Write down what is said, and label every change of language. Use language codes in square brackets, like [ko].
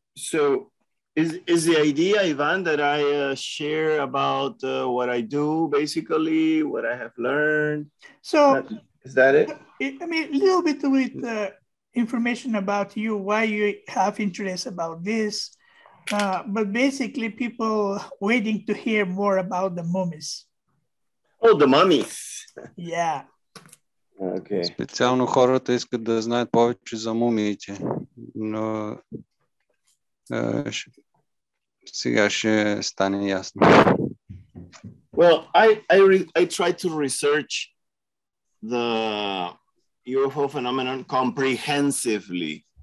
[en] So is the idea, Ivan, that I share about what I do, basically, what I have learned? So is that it? I mean, a little bit with information about you, why you have interest about this, but basically people waiting to hear more about the mummies. Oh, the mummies. Yeah. Okay. [bg] Специално хората искат да знаят повече за мумиите, но сега ще стане ясно. [en] Well, I try to research the UFO phenomenon comprehensively.